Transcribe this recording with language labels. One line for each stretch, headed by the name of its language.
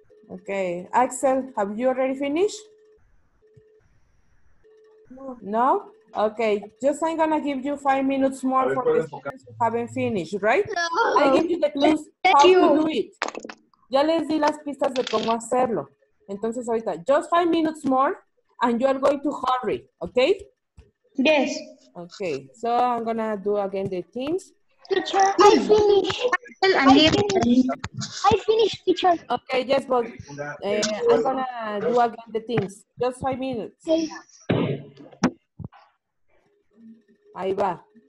English: Okay, Axel, have you already finished? No. No? Okay, just I'm gonna give you 5 minutes more for this. You haven't finished, right? No. I give you the clues. Thank how you. To do it.
Spanish: Ya les di las pistas de cómo hacerlo. Entonces ahorita,
English: just 5 minutes more and you are going to hurry, okay? Yes. Okay, so I'm gonna do again the teams. Teacher, I finished. I finished, teacher. Okay, yes, but I'm gonna do again the teams. Just 5 minutes. Okay.
Spanish: Ahí va.